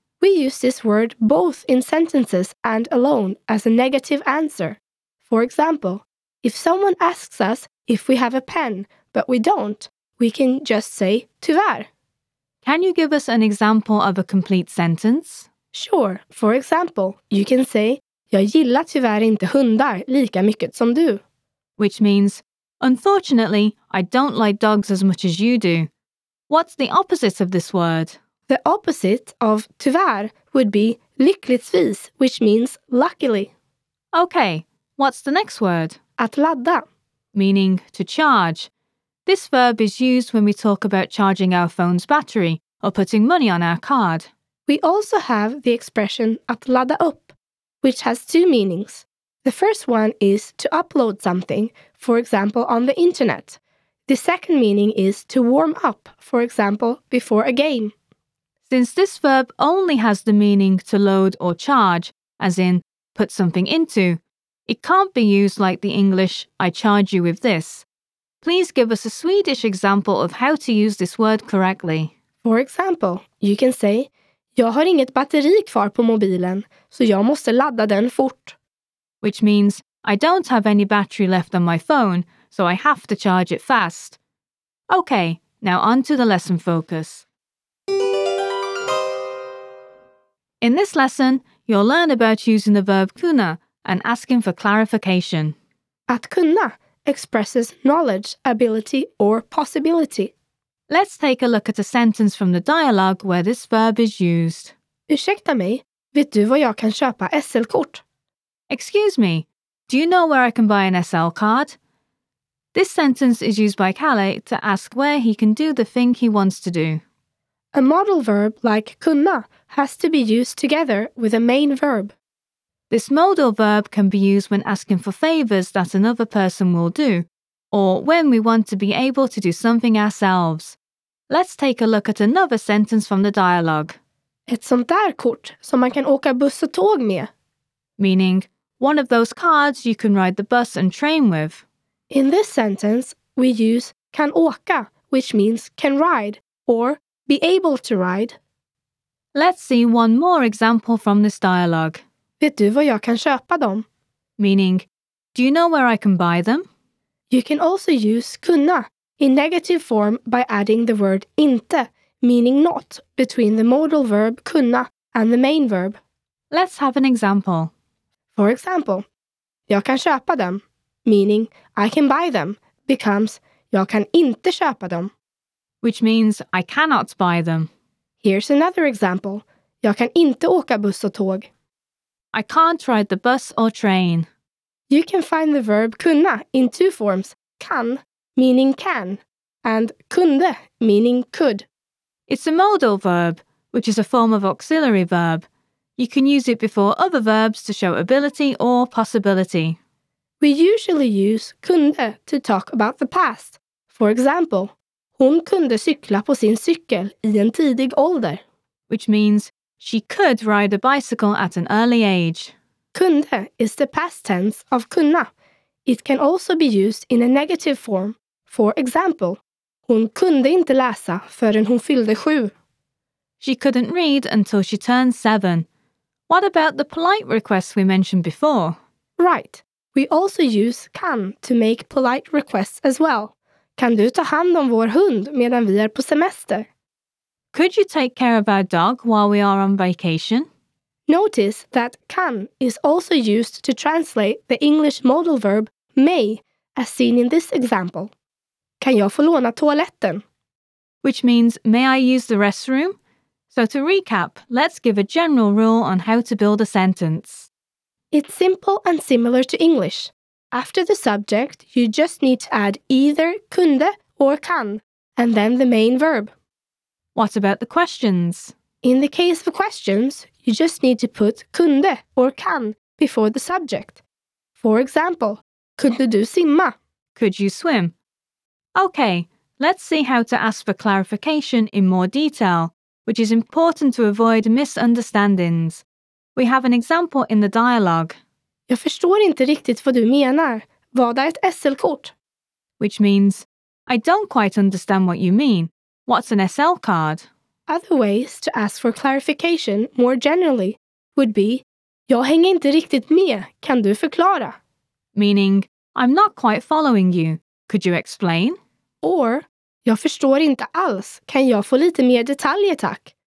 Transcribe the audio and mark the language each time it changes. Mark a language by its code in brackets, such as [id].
[en] We use this word both in sentences and alone as a negative answer. For example, if someone asks us if we have a pen, but we don't, we can just say tyvärr. Can you give us an example of a complete sentence? Sure. For example, you can say [sv] jag gillar tyvärr inte hundar lika mycket som du. [en] Which means, unfortunately, I don't like dogs as much as you do. What's the opposite of this word? The opposite of tyvärr would be lyckligtvis, which means luckily. Okay, what's the next word? [sv] Att ladda, [en] meaning to charge. This verb is used when we talk about charging our phone's battery or putting money on our card. We also have the expression att ladda upp, which has two meanings. The first one is to upload something, for example, on the internet. The second meaning is to warm up, for example, before a game. Since this verb only has the meaning to load or charge, as in put something into, it can't be used like the English I charge you with this. Please give us a Swedish example of how to use this word correctly. For example, you can say [sv] jag har inget batteri kvar på mobilen, så jag måste ladda den fort. [en] Which means, I don't have any battery left on my phone, so I have to charge it fast. Okay, now on to the lesson focus. In this lesson, you'll learn about using the verb kunna and asking for clarification. Att kunna expresses knowledge, ability or possibility. Let's take a look at a sentence from the dialogue where this verb is used. [sv] Ursäkta mig, vet du var jag kan köpa SL-kort? [en] Excuse me, do you know where I can buy an SL card? This sentence is used by Kalle to ask where he can do the thing he wants to do. A modal verb like kunna has to be used together with a main verb. This modal verb can be used when asking for favours that another person will do, or when we want to be able to do something ourselves. Let's take a look at another sentence from the dialogue. [sv] Ett sånt där kort som man kan åka buss och tåg med. [en] Meaning, one of those cards you can ride the bus and train with. In this sentence, we use kan åka, which means can ride, or be able to ride. Let's see one more example from this dialogue. [sv] Vet du var jag kan köpa dem? [en] Meaning, do you know where I can buy them? You can also use kunna in negative form by adding the word inte, meaning not, between the modal verb kunna and the main verb. Let's have an example. For example, [sv] jag kan köpa dem, [en] meaning I can buy them, becomes [sv] jag kan inte köpa dem, [en] which means I cannot buy them. Here's another example. [sv] Jag kan inte åka buss och tåg. [en] I can't ride the bus or train. You can find the verb kunna in two forms, kan, meaning can, and kunde, meaning could. It's a modal verb, which is a form of auxiliary verb. You can use it before other verbs to show ability or possibility. We usually use kunde to talk about the past. For example, [sv] hon kunde cykla på sin cykel I en tidig ålder. [en] Which means, she could ride a bicycle at an early age. Kunde is the past tense of kunna. It can also be used in a negative form. For example, [sv] hon kunde inte läsa förrän hon fyllde 7. [en] She couldn't read until she turned 7. What about the polite requests we mentioned before? Right. We also use kan to make polite requests as well. [sv] Kan du ta hand om vår hund medan vi är på semester? [en] Could you take care of our dog while we are on vacation? Notice that kan is also used to translate the English modal verb may, as seen in this example. [sv] Kan jag få låna toaletten? [en] Which means, may I use the restroom? So to recap, let's give a general rule on how to build a sentence. It's simple and similar to English. After the subject, you just need to add either kunde or kan, and then the main verb. What about the questions? In the case of questions, you just need to put kunde or kan before the subject. For example, [sv] kunde du simma? [en] Could you swim? Okay, let's see how to ask for clarification in more detail, which is important to avoid misunderstandings. We have an example in the dialogue. [sv] Jag förstår inte riktigt vad du menar. Vad är ett SL-kort? [en] Which means, I don't quite understand what you mean. What's an SL card? Other ways to ask for clarification more generally would be, [sv] Jag hänger inte riktigt med, kan du förklara? [en] Meaning, I'm not quite following you, could you explain? [sv] Or, Jag förstår inte alls, kan jag få lite mer detaljer tack?